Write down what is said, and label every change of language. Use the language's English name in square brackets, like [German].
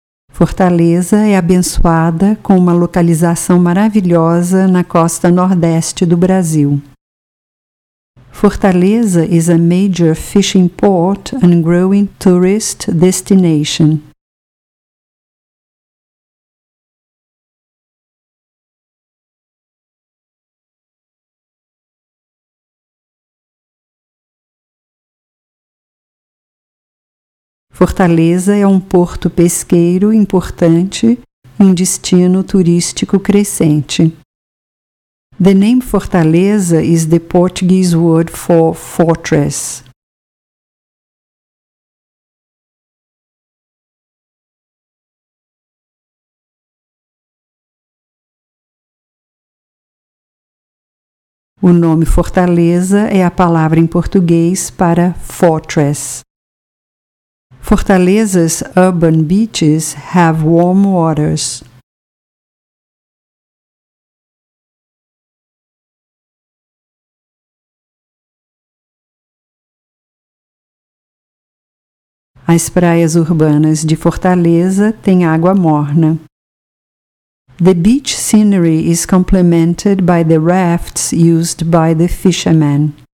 [Portuguese] Fortaleza é abençoada com uma localização maravilhosa na costa nordeste do Brasil. [English] Fortaleza is a major fishing port and growing tourist destination. [Portuguese] Fortaleza é um porto pesqueiro importante e um destino turístico crescente. [English] The name Fortaleza is the Portuguese word for fortress. [Portuguese] O nome Fortaleza é a palavra em português para fortress. [English] Fortaleza's urban beaches have warm waters. [Portuguese] As praias urbanas de Fortaleza têm água morna. [English] The beach scenery is complemented by the rafts used by the fishermen.